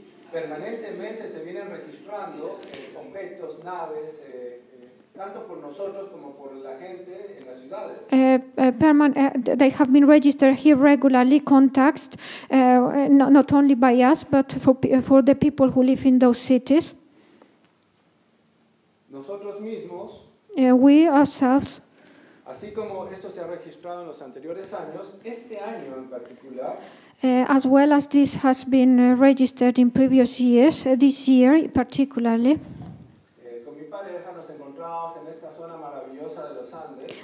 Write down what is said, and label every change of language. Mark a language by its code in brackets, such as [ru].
[es] Permanentemente se vienen registrando objetos, naves, tanto por nosotros como por la gente en las ciudades. [en] They have been registered here regularly, contacts, not only by us, but for the people who live in those cities. [es] Nosotros mismos, [en] we ourselves, [es] así como esto se ha registrado en los anteriores años, este año en particular, [en] As well as this has been registered in previous years, this year particularly, [es] con mi pareja nos encontramos en esta zona maravillosa de los Andes.